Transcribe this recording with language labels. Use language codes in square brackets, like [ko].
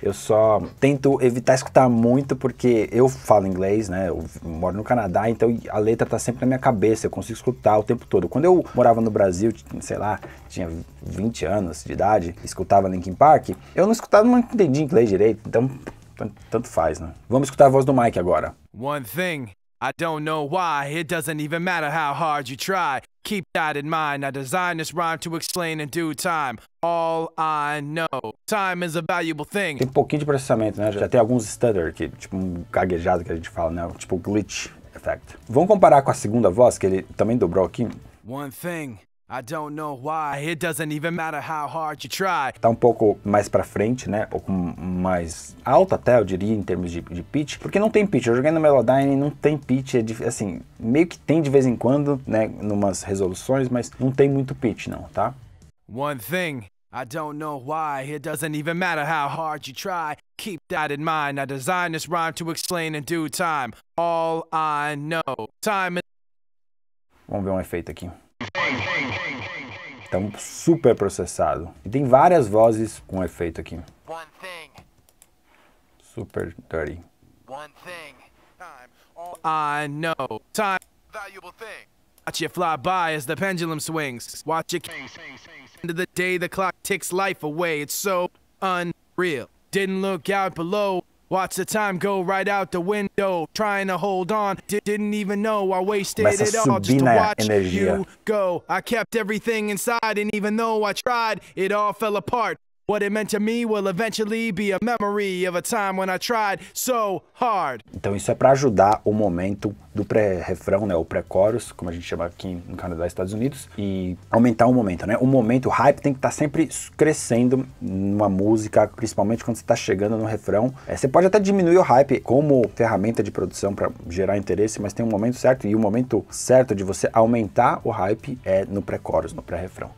[pt] Eu só tento evitar escutar muito porque eu falo inglês, né? Eu moro no Canadá, então a letra tá sempre na minha cabeça, eu consigo escutar o tempo todo. Quando eu morava no Brasil, sei lá, tinha 20 anos de idade, escutava Linkin Park, eu não escutava, não entendia inglês direito, então tanto faz, né? Vamos escutar a voz do Mike agora. [en] One thing, I don't know why, it doesn't even matter how hard you try. Keep that in mind, I designed this rhyme to explain in due time. All I know, time is a valuable thing. [pt] Tem um pouquinho de processamento, né? Já tem alguns stutter, que tipo um gaguejado que a gente fala, né? Tipo glitch effect. Vamos comparar com a segunda voz, que ele também dobrou aqui. [en] One thing, I don't know why, it doesn't even matter how hard you try. [pt] Tá um pouco mais pra frente, né? Um pouco mais alto até, eu diria, em termos de pitch. Porque não tem pitch. Eu joguei no Melodyne e não tem pitch. Assim, meio que tem de vez em quando, né? Numas resoluções, mas não tem muito pitch, não, tá? [en] One thing, I don't know why, it doesn't even matter how hard you try. Keep that in mind, I designed this rhyme to explain in due time. All I know, time is... [pt] Vamos ver um efeito aqui. é um super processado. E tem várias vozes com efeito aqui. [en] One thing. Super dirty. One thing. I know. Time. Valuable thing. Watch it fly by as the pendulum swings. Watch it. End of the day, the clock ticks life away. It's so unreal. Didn't look out below. Watch the time go right out the window. Trying to hold on. Didn't even know I wasted it all. Just to watch you go. I kept everything inside. And even though I tried, it all fell apart. What it meant to me will eventually be a memory of a time when I tried so hard. [pt] Então isso é para ajudar o momento do pré-refrão, né, o pré-chorus, como a gente chama aqui no Canadá e Estados Unidos, e aumentar o momento, né? O momento, o hype tem que estar sempre crescendo numa música, principalmente quando você está chegando no refrão. Você pode até diminuir o hype como ferramenta de produção para gerar interesse, mas tem um momento certo, e o momento certo de você aumentar o hype é no pré-chorus, no pré-refrão.